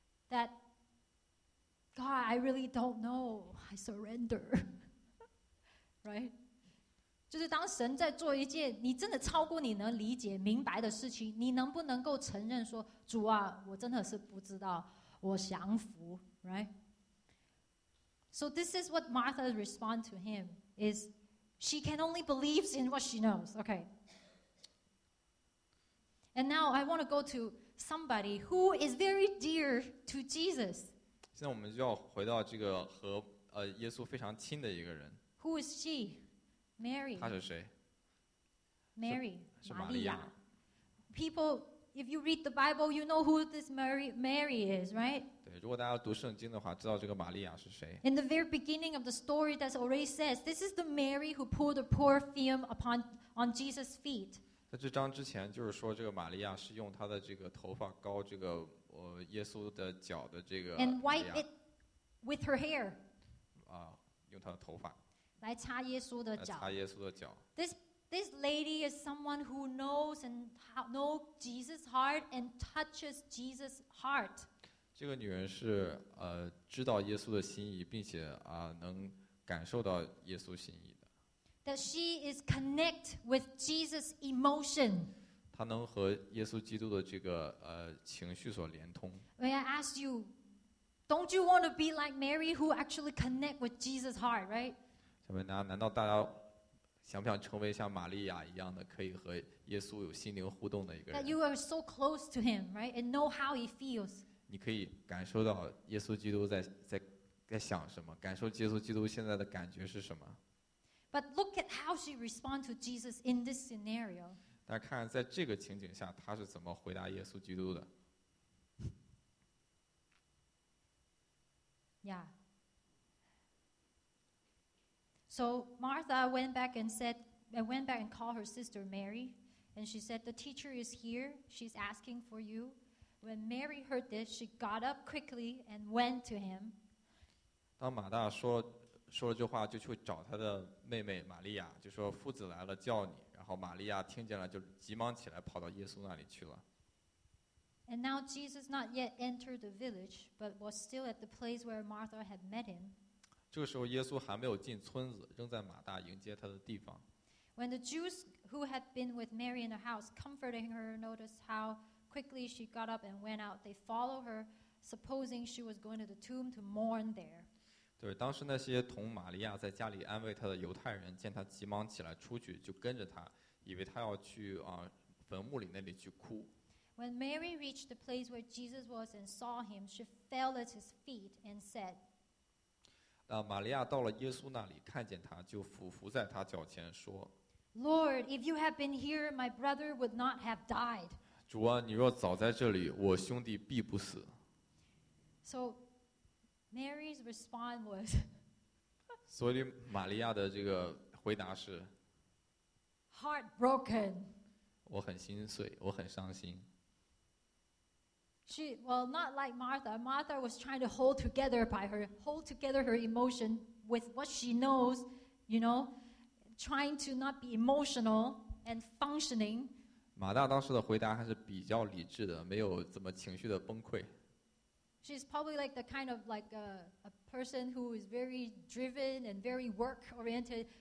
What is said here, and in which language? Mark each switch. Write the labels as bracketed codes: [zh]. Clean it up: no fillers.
[en] That God, I really don't know. I surrender. Right? [zh] 就是当神在做一件你真的超过你能理解明白的事情，你能不能够承认说，主啊，我真的是不知道，我降服。 [en] Right? So this is what Martha responds to him is she can only believe in what she knows. Okay. And now I want to go to somebody who is very dear to Jesus. [zh] 现在我们就要回到这个和耶稣非常亲的一个人。 [en] Who is she? Mary. [zh] 她是谁？ [en] Mary. [zh] 是玛利亚。 [en] People, if you read the Bible, you know who this Mary is, right? [zh] 对，如果大家读圣经的话，知道这个玛利亚是谁。 [en] In the very beginning of the story, that's already says this is the Mary who poured the perfume on Jesus' feet. [zh] 在这章之前，就是说这个玛利亚是用她的这个头发膏这个。耶稣的脚的这个 [en] and wipe it with her hair. [zh] 用她的头发来擦耶稣的脚。擦耶稣的脚。 [en] This lady is someone who knows and know Jesus' heart and touches Jesus' heart. [zh] 这个女人是知道耶稣的心意，并且能感受到耶稣心意的。 [en] That she is connect with Jesus' emotion. [zh] 他能和耶稣基督的这个情绪所连通。 [en] May I ask you, don't you want to be like Mary who actually connect with Jesus' heart, right? [zh] 想问大家，难道大家想不想成为像玛利亚一样的，可以和耶稣有心灵互动的一个人 [en] ？That you are so close to him, right, and know how he feels. [zh] 你可以感受到耶稣基督在想什么，感受耶稣基督现在的感觉是什么。 [en] But look at how she responds to Jesus in this scenario. [zh] 但看在这个情景下他是怎么回答耶稣基督的。 [en] Yeah. So Martha went back and said, and went back and called her sister Mary, and she said, the teacher is here, she's asking for you. When Mary heard this, she got up quickly and went to him. [zh] 当马大说了这话就去找他的妹妹玛利亚，就说夫子来了叫你，然后玛利亚听见了就急忙起来跑到耶稣那里去了。 [en] And now Jesus not yet entered the village but was still at the place where Martha had met him. [zh] 这个时候耶稣还没有进村子，仍在马大迎接他的地方。 [en] When the Jews who had been with Mary in the house comforting her noticed how quickly she got up and went out, they followed her supposing she was going to the tomb to mourn there. [zh] 对，当时那些同玛利亚在家里安慰她的犹太人见她急忙起来出去就跟着她，以为她要去坟墓里那里去哭。 [en] When Mary reached the place where Jesus was and saw him, she fell at his feet and said, [zh] 玛利亚到了耶稣那里看见他就俯伏在他脚前说， [en] Lord, if you had been here, my brother would not have died. [zh] 主啊，你若早在这里我兄弟必不死。 [en] So Mary's response was [zh] 所以玛利亚的这个回答是 [en] heartbroken， [zh] 我很心碎，我很伤心。 [en] She, well, not like Martha. Martha was trying to hold together by her, hold together her emotion with what she knows, you know, trying to not be emotional and functioning. [zh] 马大当时的回答还是比较理智的，没有怎么情绪的崩溃。 [en] She's probably like the kind of like a person who is very driven and very work oriented.